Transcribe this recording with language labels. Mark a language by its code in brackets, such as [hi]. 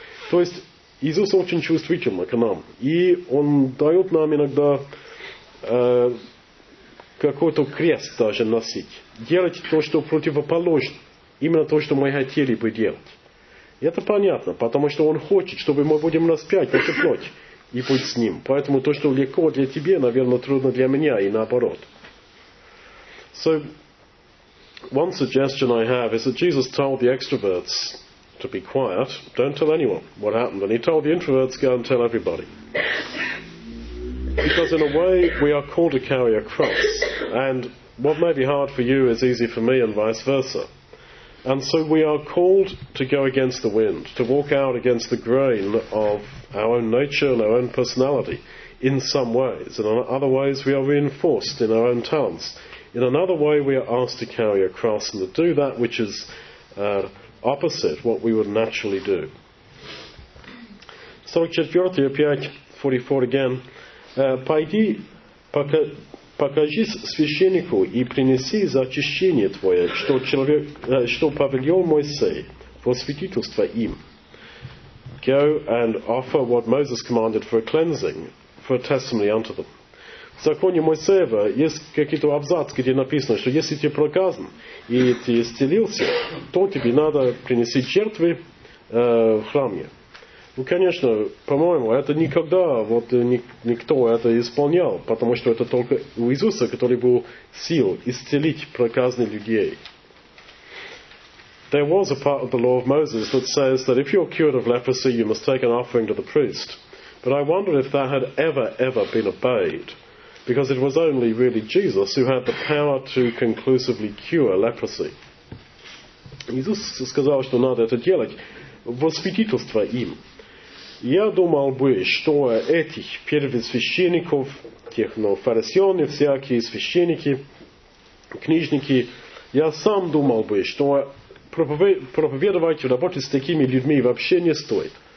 [ru] То есть, Иисус очень чувствительный к нам. И он дает нам иногда какой-то крест даже носить. Делать то, что противоположно. Именно то, что мы хотели бы делать. И это понятно, потому что он хочет, чтобы мы будем распять эту плоть. И будь с ним. Поэтому то, что легко для тебя, наверное, трудно для меня, и наоборот. [en] So, one suggestion I have is that Jesus told the extroverts to be quiet, don't tell anyone what happened. And he told the introverts, go and tell everybody. Because in a way, we are called to carry a cross. And what may be hard for you is easy for me, and vice versa. And so we are called to go against the wind, to walk out against the grain of our own nature and our own personality in some ways. In other ways, we are reinforced in our own talents. In another way, we are asked to carry a cross and to do that which is opposite what we would naturally do. [ru] 44, опять 44 [en] again. [ru] Пойди, покажись священнику и принеси за очищение твое, что человек, что повелел Моисей, во свидетельство им. [en] Go and offer what Moses commanded for a cleansing, for a testimony unto them. [ru] В законе Моисеева есть какие-то абзацы, где написано, что если ты проказан и ты исцелился, то тебе надо принести жертвы в храме. Ну, конечно, по-моему, это никогда вот никто это исполнял, потому что это только у Иисуса, который был сил исцелить проказанных людей. [en] There was a part of the law of Moses that says that if you're cured of leprosy, you must take an offering to the priest. But I wonder if that had ever been obeyed. Because it was only really Jesus who had the power to conclusively cure leprosy. [ru] Иисус сказал, что надо это делать во свидетельство им. Я думал бы, что этих первосвященников, тех, ну, фарисеев, всякие священники, книжники, я сам думал бы, что проповедовать в работе с такими людьми вообще не стоит.